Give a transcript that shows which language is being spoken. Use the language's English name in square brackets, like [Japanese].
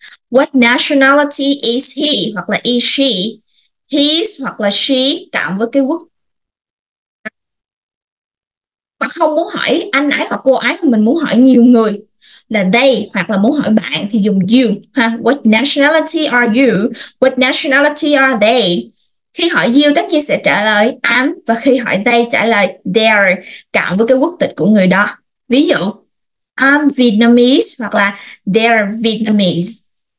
[English] What nationality is he, [Vietnamese] hoặc là [English] is she, his hoặc là she, [Vietnamese] cộng với cái quốc. Mà không muốn hỏi anh ấy hoặc cô ấy, mình muốn hỏi nhiều người là they, hoặc là muốn hỏi bạn thì dùng you. Ha? [English] What nationality are you? What nationality are they? [Vietnamese] Khi hỏi you, tất nhiên sẽ trả lời I'm, và khi hỏi they, trả lời they're, cộng với cái quốc tịch của người đó. Ví dụ, [English] I'm Vietnamese, [Vietnamese] hoặc là [English] they're Vietnamese.